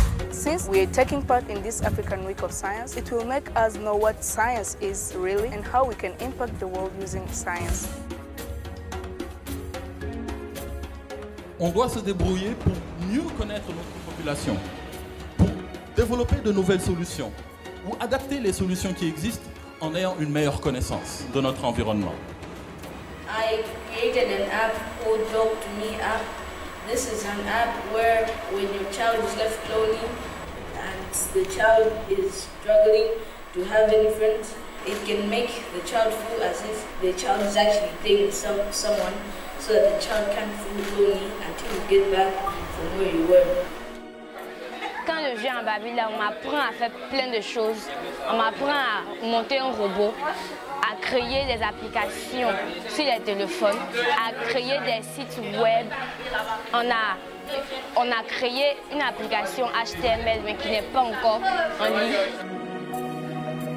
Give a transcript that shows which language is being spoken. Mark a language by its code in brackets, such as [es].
[en] Since we are taking part in this African Week of Science, it will make us know what science is really and how we can impact the world using science. [fr] On doit se débrouiller pour mieux connaître notre population, pour développer de nouvelles solutions ou adapter les solutions qui existent en ayant une meilleure connaissance de notre environnement. [en] I created an app called Talk to Me app. This is an app where when your child is left lonely and the child is struggling to have any friends, it can make the child feel as if the child is actually dating someone. So that the child can feel lonely until you get back from where you were. [fr] Quand je viens à Babila, on m'apprend à faire plein de choses. On m'apprend à monter un robot, à créer des applications sur les téléphones, à créer des sites web. On a créé une application HTML, mais qui n'est pas encore en ligne.